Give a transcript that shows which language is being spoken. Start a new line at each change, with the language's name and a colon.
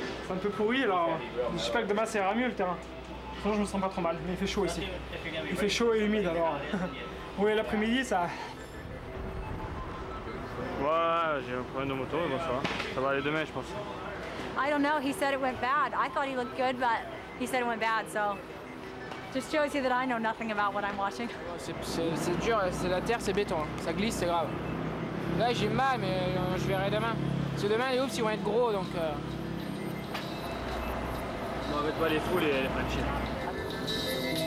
French: Un peu pourri, alors j'espère que demain ça ira mieux le terrain. Enfin, je me sens pas trop mal, mais il fait chaud ici. Il fait chaud et humide alors. Oui, l'après-midi ça. Ouais, j'ai un problème de moto, mais bon, ça va. Ça va aller demain, je pense.
English: I don't know, he said it went bad. I thought he looked good, but he said it went bad, so. Just shows you that I know nothing about what I'm watching.
French: C'est dur, c'est la terre, c'est béton, ça glisse, c'est grave. Là j'ai mal, mais je verrai demain. Parce que demain les hoops ils vont être gros donc. On va mettre pas les fous les machines.